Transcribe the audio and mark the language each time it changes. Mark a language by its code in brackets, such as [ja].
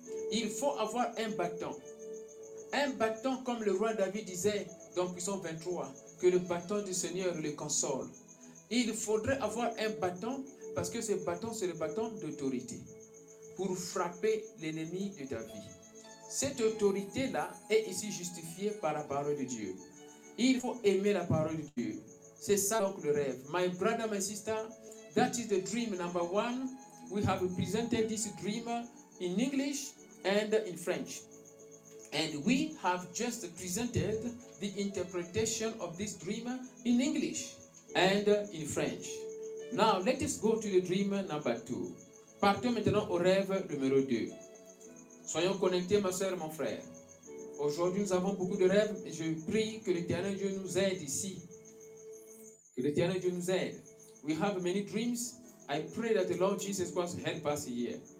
[fr] Il faut avoir un bâton. Un bâton comme le roi David disait dans Psaume 23, que le bâton du Seigneur le console. Il faudrait avoir un bâton parce que ce bâton, c'est le bâton d'autorité pour frapper l'ennemi de ta vie. Cette autorité-là est ici justifiée par la parole de Dieu. Il faut aimer la parole de Dieu. C'est ça donc le rêve. [en] My brother, my sister, that is the dream number one. We have presented this dream in English and in French. And we have just presented the interpretation of this dream in English and in French. Now, let us go to the dream number two. [fr] Partons maintenant au rêve numéro 2. Soyons connectés, ma soeur et mon frère. Aujourd'hui, nous avons beaucoup de rêves. Et je prie que l'Éternel Dieu nous aide ici. Que l'Éternel Dieu nous aide. We have many dreams. [en] I pray that the Lord Jesus Christ help us here.